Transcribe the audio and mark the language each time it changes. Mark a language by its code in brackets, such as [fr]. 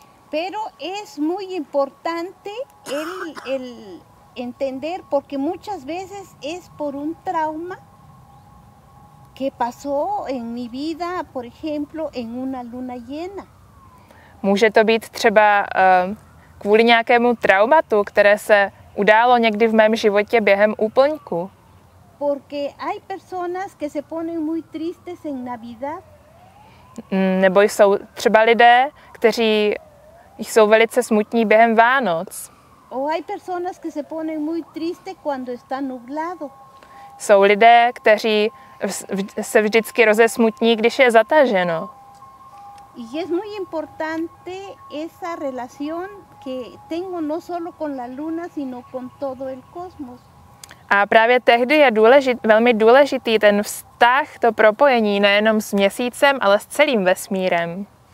[es] Pero es muy importante el entender, porque muchas veces es por un trauma que pasó en mi vida, por ejemplo, en una luna llena. [cs] Může to být třeba kvůli nějakému traumatu, které se událo někdy v mém životě během úplňku. [es] Porque hay personas que se ponen muy tristes en Navidad. [cs] Nebo jsou třeba lidé, kteří jsou velice smutní během Vánoc. [es] O hay personas que se ponen muy triste cuando está nublado. [cs] Jsou lidé, kteří se vždycky rozesmutní, když je zataženo. [es] Y es muy importante esa relación que tengo no solo con la luna, sino con todo el cosmos. [cs] A právě tehdy je velmi důležitý ten vztah, to propojení nejenom s měsícem, ale s celým vesmírem.